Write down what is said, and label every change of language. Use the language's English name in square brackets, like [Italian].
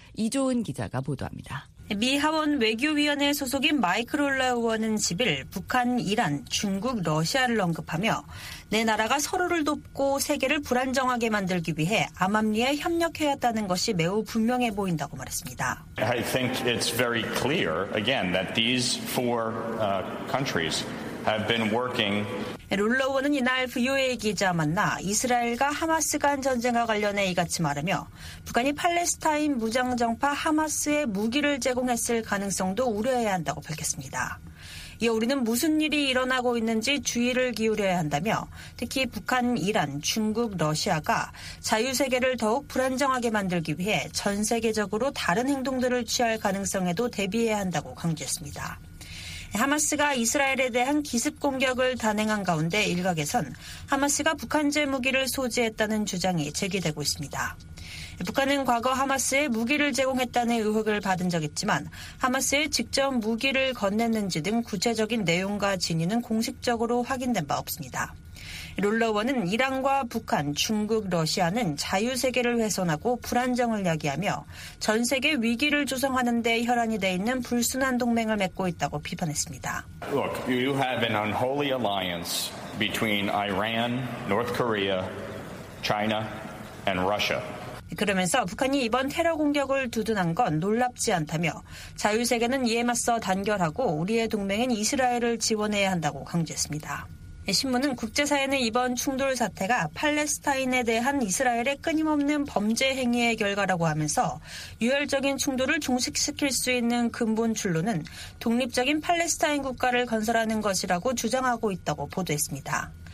[Korean] 이조은 기자가 보도합니다. 미 하원 외교위원회 소속인 마이크 롤러 의원은 10일 북한, 이란, 중국, 러시아를 언급하며 내 나라가 서로를 돕고 세계를 불안정하게 만들기 위해 암암리에 협력해왔다는 것이 매우 분명해 보인다고 말했습니다. [English] I think it's very clear again that these four countries have been working. [Korean] 롤러 의원은 이날 VOA 기자 만나 이스라엘과 하마스 간 전쟁과 관련해 이같이 말하며 북한이 팔레스타인 무장정파 하마스에 무기를 제공했을 가능성도 우려해야 한다고 밝혔습니다. 이에 우리는 무슨 일이 일어나고 있는지 주의를 기울여야 한다며 특히 북한, 이란, 중국, 러시아가 자유세계를 더욱 불안정하게 만들기 위해 전 세계적으로 다른 행동들을 취할 가능성에도 대비해야 한다고 강조했습니다. 하마스가 이스라엘에 대한 기습 공격을 단행한 가운데 일각에선 하마스가 북한제 무기를 소지했다는 주장이 제기되고 있습니다. 북한은 과거 하마스에 무기를 제공했다는 의혹을 받은 적 있지만 하마스에 직접 무기를 건넸는지 등 구체적인 내용과 진위는 공식적으로 확인된 바 없습니다. 롤러원은 이란과 북한, 중국, 러시아는 자유세계를 훼손하고 불안정을 야기하며 전 세계 위기를 조성하는 데 혈안이 돼 있는 불순한 동맹을 맺고 있다고 비판했습니다. [English] Look, you have an unholy alliance between Iran, North Korea, China, and Russia. [Korean] 그러면서 북한이 이번 테러 공격을 두둔한 건 놀랍지 않다며 자유세계는 이에 맞서 단결하고 우리의 동맹인 이스라엘을 지원해야 한다고 강조했습니다. 신문은 국제사회는 이번 충돌 사태가 팔레스타인에 대한 이스라엘의 끊임없는 범죄 행위의 결과라고 하면서 유혈적인 충돌을 종식시킬 수 있는 근본 출로는 독립적인 팔레스타인 국가를 건설하는 것이라고 주장하고 있다고 보도했습니다.